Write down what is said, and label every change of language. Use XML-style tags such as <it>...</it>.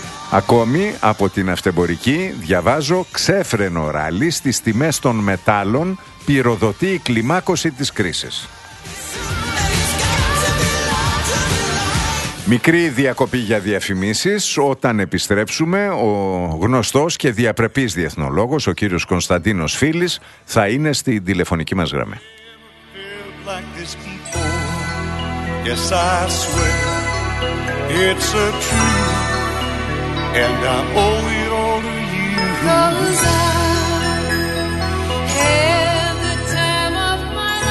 <el>Ακόμη από την αυτεμπορική διαβάζω «Ξέφρενο ράλι στις τιμές των μετάλλων πυροδοτεί η κλιμάκωση της κρίσης». Μικρή διακοπή για διαφημίσεις. Όταν επιστρέψουμε, ο γνωστός και διαπρεπής διεθνολόγος, ο κύριος Κωνσταντίνος Φίλης, θα είναι στη τηλεφωνική μας γραμμή.</el> <en>Like this before, yes, I swear it's a truth, and I owe it all to you. Because I had the time of my</en>